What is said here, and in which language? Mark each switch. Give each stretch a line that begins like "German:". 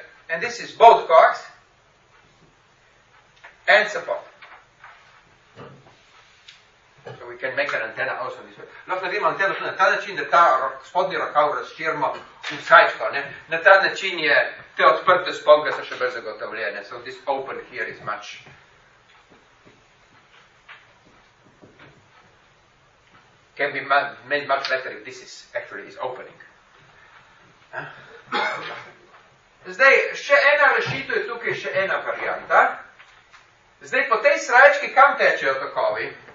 English: And this is both coax and support. So we can make an antenna also this way.
Slovenian: Lahko naredimo antenu na ta način, da ta spodnji rokav razširimo v srajčko. Ne? Na ta način je te odprte sponke so še bolj zagotovljene.
English: So this open here is much. Can be made much better if this is actually is opening.
Slovenian: Zdaj, še ena rešitev je tukaj, še ena varianta. Zdaj, po tej srajčki kam tečejo tokovi?